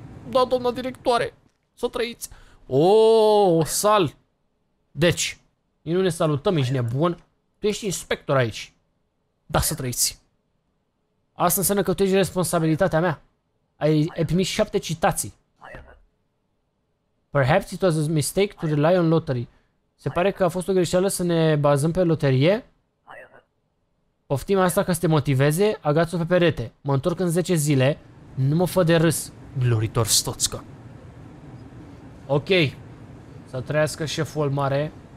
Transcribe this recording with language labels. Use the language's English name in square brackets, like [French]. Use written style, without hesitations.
[Romanian] Da, doamna directoare, să trăiți. O sal. Deci, nu ne salutăm, ești nebun. Tu ești inspector aici. Da, să trăiți. Asta înseamnă că tu ești responsabilitatea mea. Ai primit 7 citații. [English] Perhaps it was a mistake to rely on lottery. [Romanian] Se pare că a fost o greșeală să ne bazăm pe loterie. Poftim asta ca să te motiveze, agați-o pe perete. Mă întorc în 10 zile, nu mă fă de râs. Gloritor Stoțcă. Ok. Să trăiască șeful mare.